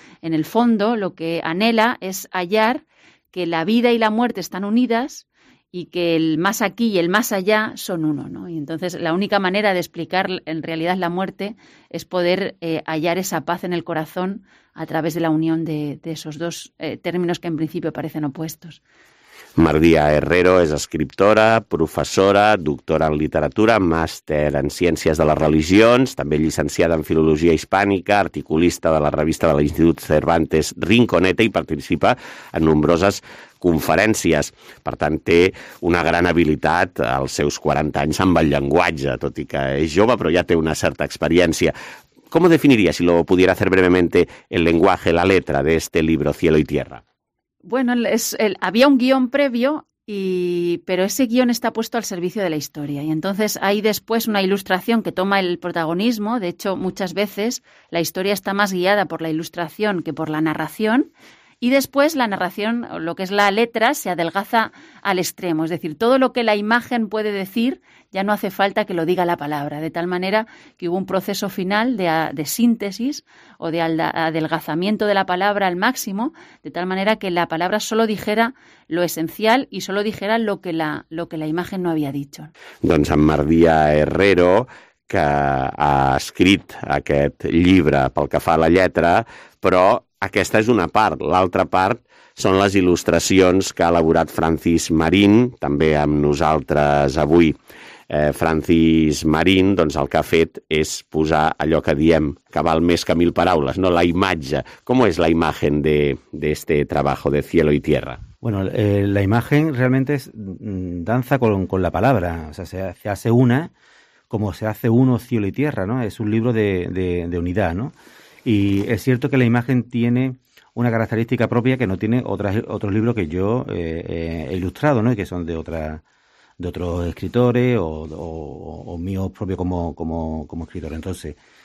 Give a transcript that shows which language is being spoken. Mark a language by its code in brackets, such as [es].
[es] En el fondo lo que anhela es hallar que la vida y la muerte están unidas y que el más aquí y el más allá son uno, ¿no? Y entonces la única manera de explicar en realidad la muerte es poder hallar esa paz en el corazón a través de la unión de esos dos términos que en principio parecen opuestos. [ca] Mardia Herrero es escriptora, profesora, doctora en literatura, máster en ciències de les religions, també llicenciada en filologia hispànica, articulista de la revista de l'Institut Cervantes Rinconete i participa en nombroses conferències. Per tant, té una gran habilitat als seus 40 anys amb el llenguatge, tot i que és jove, però ja té una certa experiència. ¿Com ho definiria, [es] si lo pudiera hacer brevemente, el lenguaje, la letra de este libro Cielo y Tierra? Bueno, había un guión previo, pero ese guión está puesto al servicio de la historia. Y entonces hay después una ilustración que toma el protagonismo. De hecho, muchas veces la historia está más guiada por la ilustración que por la narración. Y después la narración, lo que es la letra, se adelgaza al extremo. Es decir, todo lo que la imagen puede decir ya no hace falta que lo diga la palabra. De tal manera que hubo un proceso final de síntesis o de adelgazamiento de la palabra al máximo, de tal manera que la palabra solo dijera lo esencial y solo dijera lo que la imagen no había dicho. [ca] Don San Mardía Herrero, que ha escrit aquest llibre pel que fa a la lletra, però aquesta és una part. L'altra part són les il·lustracions que ha elaborat Francis Marín, també amb nosaltres avui. Francis Marín, doncs, el que ha fet és posar allò que diem que val més que mil paraules, no? La imatge. [es] ¿Cómo es la imagen de este trabajo de Cielo y Tierra? Bueno, la imagen realmente es danza con la palabra. O sea, se hace una como se hace uno cielo y tierra, ¿no? Es un libro de unidad, ¿no? Y es cierto que la imagen tiene una característica propia que no tiene otros libros que yo he ilustrado, ¿no? Y que son de otros escritores o míos propios como escritor. Entonces,